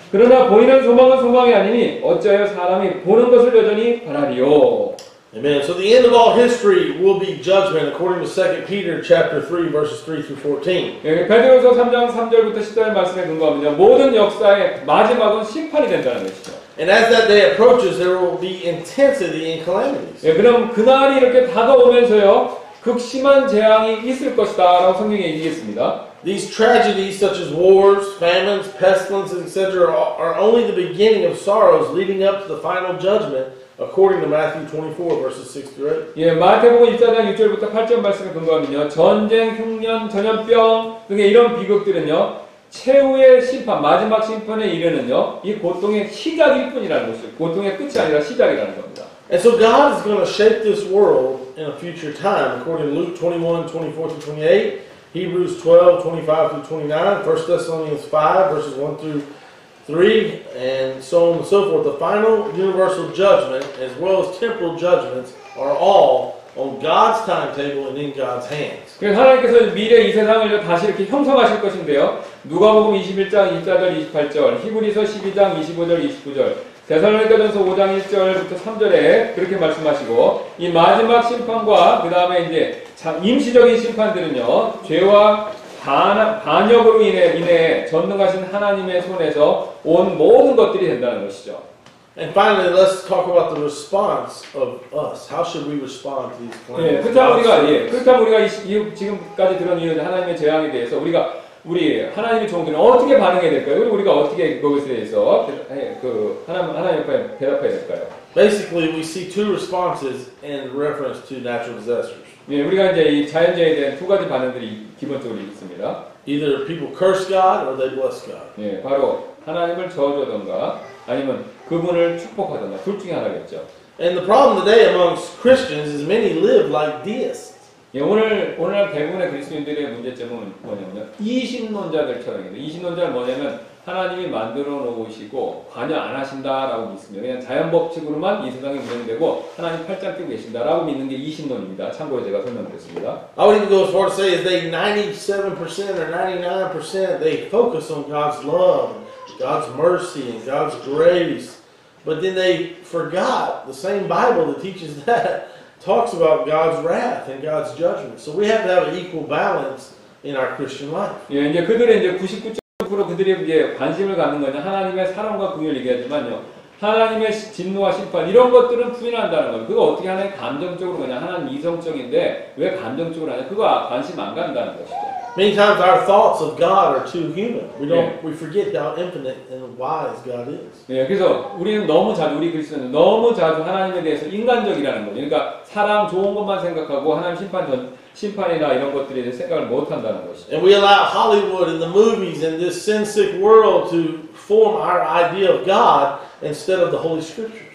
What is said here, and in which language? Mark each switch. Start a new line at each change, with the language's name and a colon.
Korean: 그러나 보이는 소망은 소망이 아니니 어찌하여 사람이 보는 것을 여전히 바라리요.
English: Amen. So the end of all history will be judgment according to 2 Peter chapter 3 verses 3 through 14.
Korean: 예, 베드로서 3장 3절부터 10절 말씀에 근거하면요. 모든 역사의 마지막은 심판이 된다는 것이죠.
English: And as that day approaches there will be intensity and calamities.
Korean: 예, 그럼 그날이 이렇게 다가오면서요. 극심한 재앙이 있을 것이다라고 성경에 얘기했습니다.
English: These tragedies such as wars, famines, pestilences, etc. are only the beginning of sorrows leading up to the final judgment. According to Matthew 24 verses 6 through 8.
Korean: 예, 마태복음 1장 6절부터 8절 말씀에 근거하면요. 전쟁, 흉년, 전염병 등의 이런 비극들은요. 최후의 심판, 마지막 심판에 이르는요. 이 고통의 시작일 뿐이라는 것이죠. 고통의 끝이 아니라 시작이라는 겁니다.
English: And so God is going to shape this world in a future time according to Luke 21 24 to 28, Hebrews 12 25 through 29, 1 Thessalonians 5 verses 1 through 3 and so on and so forth. The final universal judgment as well as temporal judgments are all on God's timetable and in God's hands.
Korean: 하나님께서 미래 이 세상을 다시 이렇게 형성하실 것인데요. 누가복음 21장 1절 28절, 히브리서 12장 25절 29절, 데살로니가전서 5장 1절부터 3절에 그렇게 말씀하시고 이 마지막 심판과 그 다음에 이제 임시적인 심판들은요. 죄와 반역으로 인해 전능하신 하나님의 손에서 온 모든 것들이 된다는 것이죠.
English: And finally, let's talk about the response of us. How should we respond to these plagues?
Korean: 예, 그렇다면 우리가 지금까지 들은 이 하나님의 재앙에 대해서 우리 하나님의 종들은 어떻게 반응해야 될까요? 우리가 어떻게 거기에 대해서 하나님께 대답해야 될까요?
English: Basically, we see two responses in reference to natural disasters.
Korean: 예, 우리가 이제 이 자연재해에 대한 두 가지 반응들이 기본적으로 있습니다.
English: Either people curse God or they bless God.
Korean: 예, 바로 하나님을 저주하던가 아니면 그분을 축복하던가 둘 중에 하나겠죠.
English: And the problem today amongst Christians is many live like deists.
Korean: 예, 오늘 대부분의 그리스도인들의 문제점은 뭐냐면 이신론자들처럼입니다. 이신론자는 뭐냐면 하나님이 만들어 놓으시고 관여 안 하신다라고 믿습니다. 그냥 자연 법칙으로만 이 세상이 운영되고 하나님 팔짱 끼고 계신다라고 믿는 게 이신론입니다. 참고로 제가 설명드렸습니다.
English: I would even go as far to say is they 97% or 99% they focus on God's love, God's mercy, and God's grace. But then they forgot the same Bible that teaches that talks about God's wrath and God's judgment. So we have to have an equal balance in our Christian life.
Korean: 예, 이제 그들의 이제 99% 앞으로 그들이 이제 관심을 갖는 거냐 하나님의 사랑과 긍휼 얘기하지만요 하나님의 진노와 심판 이런 것들은 부인한다는 거예요. 그거 어떻게 하나님 감정적으로 그냥 하나님 이성적인데 왜 감정적으로 하냐 그거 관심 안 간다는 것이죠.
English: Many times our thoughts of God are too human. We forget how infinite and wise God is.
Korean: 예, 그래서 우리는 너무 자주 우리 그리스도는 너무 자주 하나님에 대해서 인간적이라는 거예요. 그러니까 사랑 좋은 것만 생각하고 하나님 심판이나 이런 것들에 대해 생각을 못 한다는 것이.
English: And we allow Hollywood and the movies and this sin-sick world to form our idea of God instead of the Holy Scriptures.